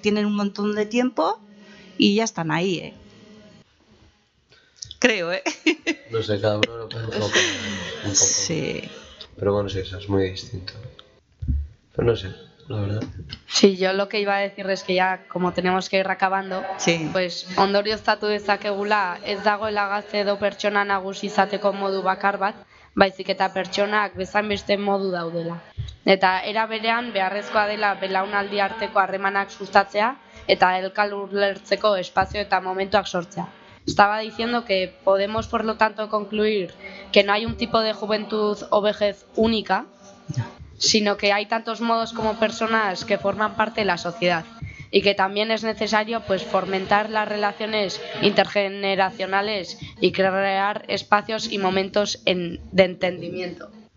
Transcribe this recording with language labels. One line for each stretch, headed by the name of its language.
Spanish: Tienen un montón de tiempo y ya están ahí, ¿eh? Creo, ¿eh? No sé, cada uno lo pensó un poco. Sí. Pero bueno, sí, eso es muy distinto. Pero no sé. La verdad. Sí, yo lo que iba a decir es que ya como tenemos que ir acabando, sí.
Basque: Pues ondorioztatu dezakegula ez dagoela gazte edo pertsona nagusi izateko modu bakar bat, baizik eta pertsonak bezain beste modu daudela. Eta era berean beharrezkoa dela belaunaldi arteko harremanak sustatzea eta elkar ulertzeko espazio eta momentuak sortzea.
Spanish: Estaba diciendo que podemos por lo tanto concluir que no hay un tipo de juventud o vejez única. Sino que hay tantos modos como personas que forman parte de la sociedad y que también es necesario pues fomentar las relaciones intergeneracionales y crear espacios y momentos de entendimiento.